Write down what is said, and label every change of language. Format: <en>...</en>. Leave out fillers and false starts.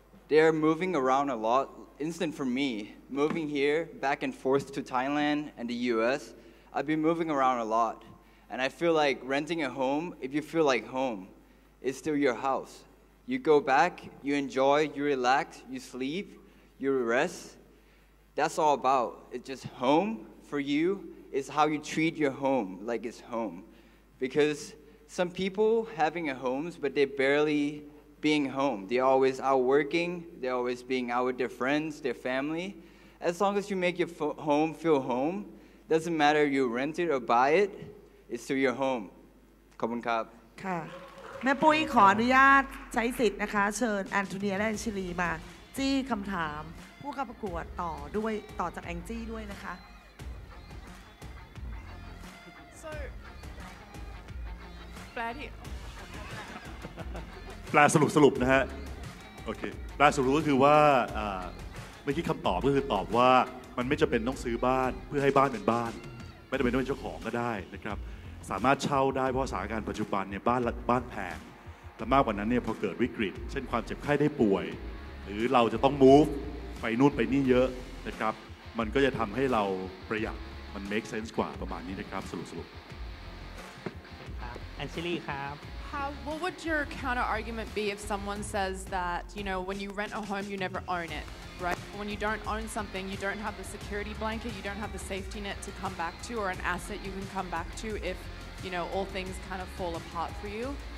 <en>they're moving around a lot instant for me moving here back and forth to Thailand and the US I've been moving around a lot and I feel like renting a home if you feel like home is still your house you go back you enjoy you relax you sleep you rest that's all about it's just home for you is how you treat your home like it's homeBecause some people having a home, but they're barely being home. They're always out working. They're always being out with their friends, their family. As long as you make your home feel home, doesn't matter you rent it or buy it, it's still your home.</en> <th>ขอบคุณครับ ค่ะ แม่ปุ้ยขออนุญาตใช้สิทธิ์นะคะเชิญแอนโทเนียและแองเจลีมาจี้คำถามผู้เข้าประกวดต่อด้วยต่อจากแองจี้ด้วยนะคะ แปลสรุปนะฮะโอเคแปลสรุปก็คือว่าไม่คิดคำตอบก็คือตอบว่ามันไม่จำเป็นต้องซื้อบ้านเพื่อให้บ้านเป็นบ้านไม่จำเป็นต้องเป็นเจ้าของก็ได้นะครับสามารถเช่าได้เพราะสถานการณ์ปัจจุบันเนี่ยบ้านแพงและมากกว่านั้นเนี่ยพอเกิดวิกฤตเช่นความเจ็บไข้ได้ป่วยหรือเราจะต้อง move ไปนู่นไปนี่เยอะนะครับมันก็จะทำให้เราประหยัดมัน make sense กว่าประมาณนี้นะครับสรุป</th> <en>Anjali, what would your counter argument be if someone says that you know when you rent a home you never own it, right? When you don't own something, you don't have the security blanket, you don't have the safety net to come back to, or an asset you can come back to if you know all things kind of fall apart for you.</en>